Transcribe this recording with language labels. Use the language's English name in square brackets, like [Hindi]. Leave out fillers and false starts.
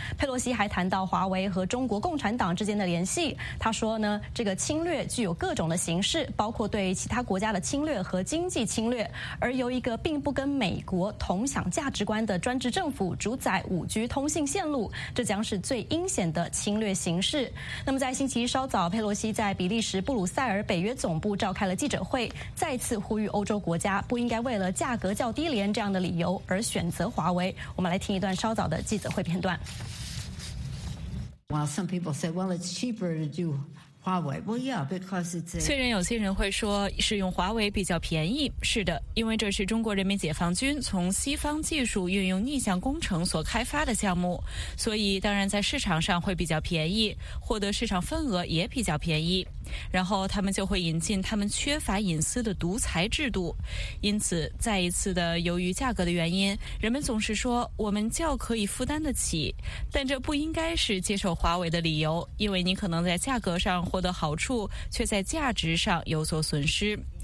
[Chinese] 佩洛西还谈到华为和中国共产党之间的联系，他说呢，这个侵略具有各种的形式，包括对其他国家的侵略和经济侵略，而由一个并不跟美国同享价值观的专制政府主宰5G通信线路，这将是最阴险的侵略形式。那么在星期一稍早，佩洛西在比利时布鲁塞尔北约总部召开了记者会，再次呼吁欧洲国家不应该为了价格较低廉这样的理由而选择华为。我们来听一段稍早的记者会片段。 [English] While some people say, well, it's cheaper to do Huawei. Well, yeah, because it's a... [Chinese] 虽然有些人会说是用华为比较便宜，是的，因为这是中国人民解放军从西方技术运用逆向工程所开发的项目，所以当然在市场上会比较便宜，获得市场份额也比较便宜。然后他们就会引进他们缺乏隐私的独裁制度，因此再一次的由于价格的原因，人们总是说我们较可以负担得起，但这不应该是接受华为的理由，因为你可能在价格上获得好处，却在价值上有所损失。